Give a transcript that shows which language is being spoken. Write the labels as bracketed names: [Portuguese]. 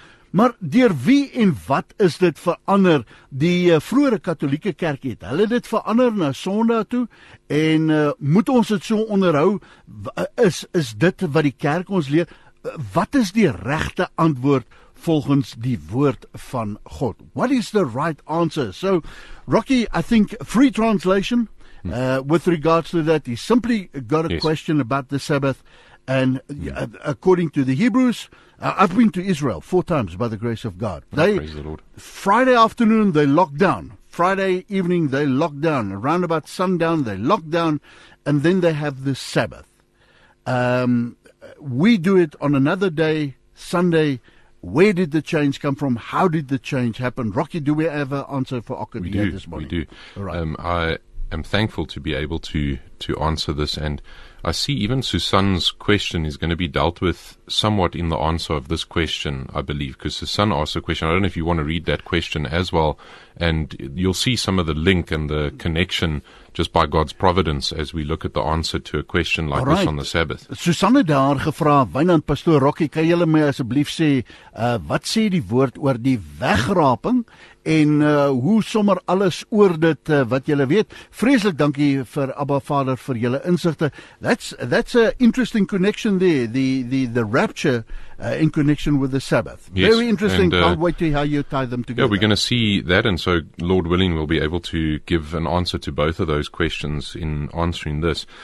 [Afrikaans] Maar deur wie en wat is dit verander? Die vroeë katolieke kerk het hulle dit verander na Sondag toe en moet ons dit so onderhou? Is dit wat die kerk ons leer? Wat is die regte antwoord volgens die woord van God? [English] What is the right answer? So, Rocky, I think free translation with regards to that, he simply got a question about the Sabbath. And according to the Hebrews, I've been to Israel 4 times by the grace of God. Praise the Lord. Friday afternoon, they locked down. Friday evening, they locked down. Around about sundown, they locked down. And then they have the Sabbath. We do it on another day, Sunday. Where did the change come from? How did the change happen? Rocky, do we have an answer for Ockham here this morning? We do. All right. I am thankful to be able to answer this, and I see even Susan's question is going to be dealt with somewhat in the answer of this question, I believe, because Susan asked a question. I don't know if you want to read that question as well, and you'll see some of the link and the connection just by God's providence as we look at the answer to a question like this on the Sabbath. [Afrikaans] Susan het daar gevra, Wynand, Pastoor Rocky, kan julle my asseblief sê, wat sê die woord oor die wegraping en hoe sommer alles oor dit wat julle weet? Vreeslik dankie vir Abba Vader vir julle insigte. [English] That's an interesting connection there, the rapture in connection with the Sabbath. Yes. Very interesting. And, can't wait to how you tie them together. Yeah, we're going to see that, and so Lord willing, we'll be able to give an answer to both of those questions in answering this.